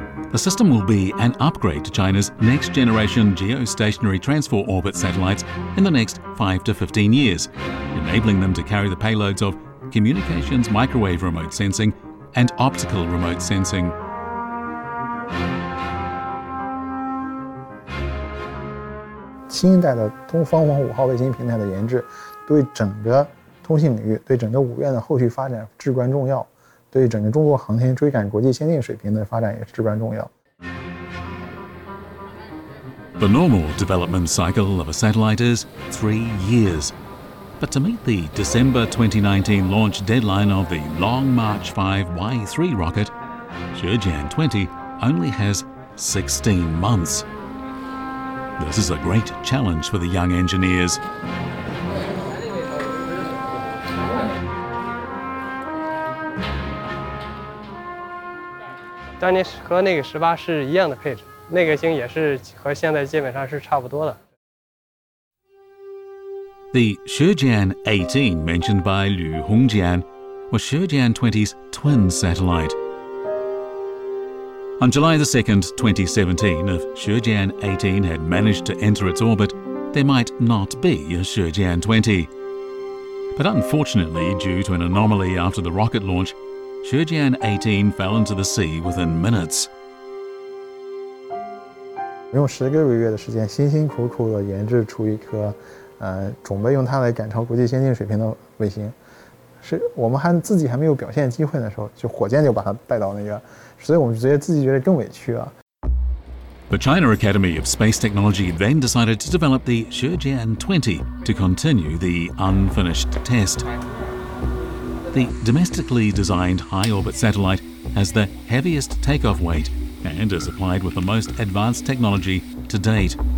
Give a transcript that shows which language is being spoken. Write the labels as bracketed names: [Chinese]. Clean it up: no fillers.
[English] The system will be an upgrade to China's next generation geostationary transfer orbit satellites in the next 5 to 15 years, enabling them to carry the payloads of communications microwave remote sensing and optical remote sensing. [Chinese] 新一代的东方红五号卫星平台的研制对整个通信领域，对整个五院的后续发展至关重要，对整个中国航天追赶国际先进水平的发展也至关重要。 [English] The normal development cycle of a satellite is 3 years, but to meet the December 2019 launch deadline of the Long March 5Y3 rocket, Shijian 20 only has 16 months. This is a great challenge for the young engineers. [Chinese] 当年和那个十八是一样的配置，那个星也是和现在基本上是差不多的。 [English] The Shijian 18 mentioned by Liu Hongjian was Shijian 20's twin satellite. On July the 2nd, 2017, if Shijian 18 had managed to enter its orbit, there might not be a Shijian 20. But unfortunately, due to an anomaly after the rocket launch, Shijian 18 fell into the sea within minutes. [Chinese] 用十个月的时间，辛辛苦苦地研制出一颗，准备用它来赶超国际先进水平的卫星。是我们还自己还没有表现机会的时候，就火箭就把它带到那个，所以我们直接自己觉得更委屈啊。 [English] The China Academy of Space Technology then decided to develop the Shijian 20 to continue the unfinished test. The domestically designed high orbit satellite has the heaviest takeoff weight and is applied with the most advanced technology to date.